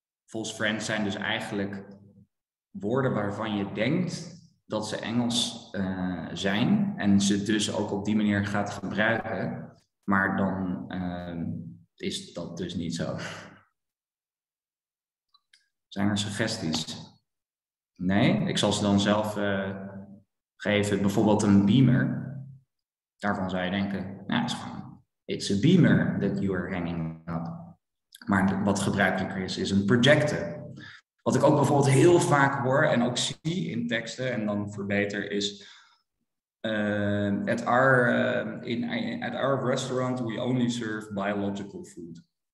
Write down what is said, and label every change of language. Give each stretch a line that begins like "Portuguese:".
Dutch: False friends zijn dus eigenlijk woorden waarvan je denkt dat ze Engels zijn en ze dus ook op die manier gaat gebruiken, maar dan is dat dus niet zo. Zijn er suggesties? Nee? Ik zal ze dan zelf geven. Bijvoorbeeld een beamer. Daarvan zou je denken,
English: it's a beamer that you are hanging up.
Dutch: Maar wat gebruikelijker is een projector. Wat ik ook bijvoorbeeld heel vaak hoor en ook zie in teksten en dan verbeter is
English: at our restaurant we only serve biological food.